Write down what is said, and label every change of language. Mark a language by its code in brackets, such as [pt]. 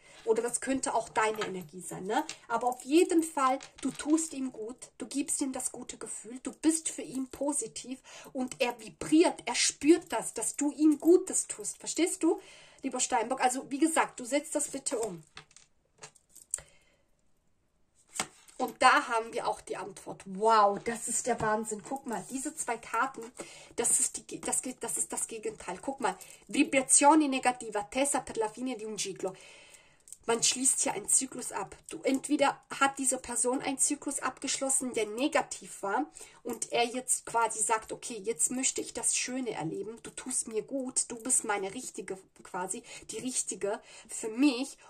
[de] Oder das könnte auch deine Energie sein, ne? Aber auf jeden Fall, du tust ihm gut, du gibst ihm das gute Gefühl, du bist für ihn positiv und er vibriert, er spürt das, dass du ihm Gutes tust. Verstehst du, lieber Steinbock? Also, wie gesagt, du setzt das bitte um. Und da haben wir auch die Antwort. Wow, das ist der Wahnsinn. Guck mal, diese zwei Karten, das ist das Gegenteil. Guck mal, [it] Vibrazione negativa, tessa per la fine di un ciclo. [de] Man schließt hier einen Zyklus ab. Du, entweder hat diese Person einen Zyklus abgeschlossen, der negativ war und er jetzt quasi sagt, okay, jetzt möchte ich das Schöne erleben. Du tust mir gut, du bist meine Richtige quasi, die Richtige für mich.